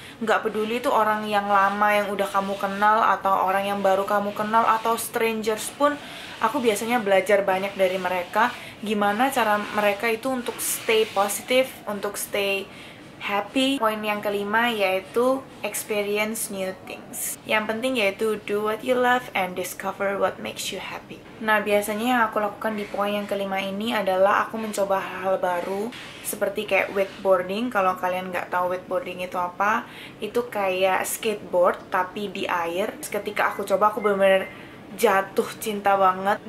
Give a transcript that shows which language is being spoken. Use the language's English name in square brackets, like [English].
[Indonesian] Nggak peduli itu orang yang lama yang udah kamu kenal atau orang yang baru kamu kenal atau strangers pun, aku biasanya belajar banyak dari mereka gimana cara mereka itu untuk [English] stay positive, [Indonesian] untuk [English] stay happy. [Indonesian] Poin yang kelima yaitu [English] experience new things. [Indonesian] Yang penting yaitu [English] do what you love and discover what makes you happy. [Indonesian] Nah, biasanya yang aku lakukan di poin yang kelima ini adalah aku mencoba hal-hal baru seperti kayak wakeboarding. Kalau kalian nggak tahu wakeboarding itu apa, itu kayak skateboard tapi di air. Ketika aku coba, aku benar-benar jatuh cinta banget.